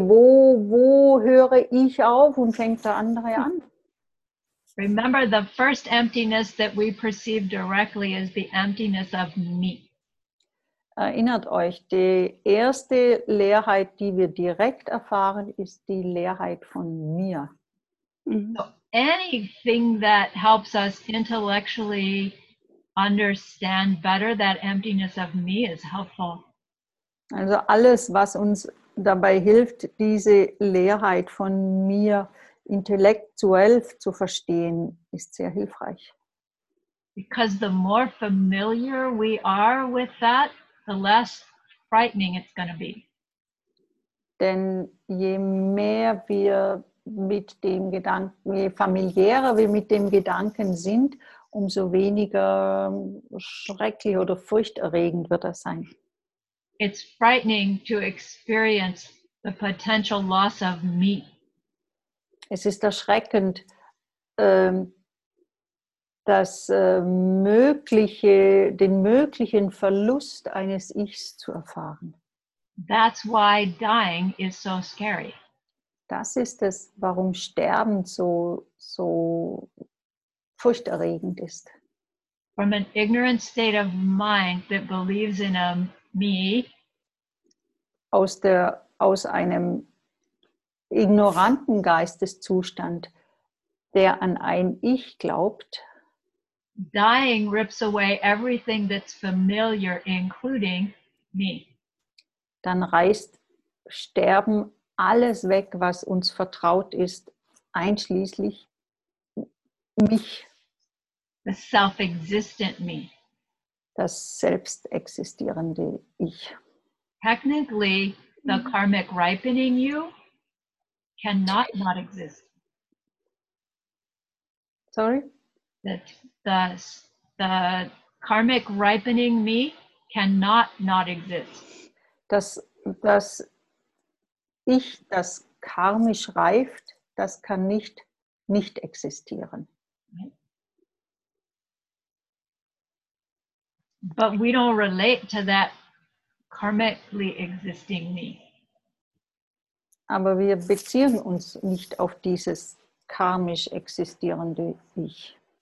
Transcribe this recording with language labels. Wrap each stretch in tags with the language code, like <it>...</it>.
<de>Wo höre ich auf und fängt der andere an?</de> <en>Remember, the first emptiness that we perceive directly is the emptiness of me.</en> <de>Erinnert euch, die erste Leerheit, die wir direkt erfahren, ist die Leerheit von mir.</de> <en>So anything that helps us intellectually understand better that emptiness of me is helpful.</en> <de>Also alles, was uns dabei hilft, diese Leerheit von mir intellektuell zu verstehen, ist sehr hilfreich.</de> <en>Because the more familiar we are with that, the less frightening it's going to be.</en> <de>Denn je mehr wir mit dem Gedanken, je familiärer wir mit dem Gedanken sind, umso weniger schrecklich oder furchterregend wird das sein.</de> <en>It's frightening to experience the potential loss of me.</en> <de>Es ist erschreckend, das mögliche, den möglichen Verlust eines Ichs zu erfahren.</de> <en>That's why dying is so scary.</en> <de>Das ist es, warum Sterben so furchterregend ist.</de> <en>From an ignorant state of mind that believes in a me.</en> <de>Aus einem ignoranten Geisteszustand, der an ein Ich glaubt.</de> <en>Dying rips away everything that's familiar, including me.</en> <de>Dann reißt Sterben alles weg, was uns vertraut ist, einschließlich mich.</de> <en>The self-existent me.</en> <de>Das selbstexistierende Ich.</de> <en>Technically, the karmic ripening you cannot not exist. Sorry? The karmic ripening me cannot not exist.</en> <de>Das Ich, das karmisch reift, das kann nicht nicht existieren.</de> <en>But we don't relate to that karmically existing me.</en> <de>Aber wir beziehen uns nicht auf dieses karmisch existierende Ich.</de>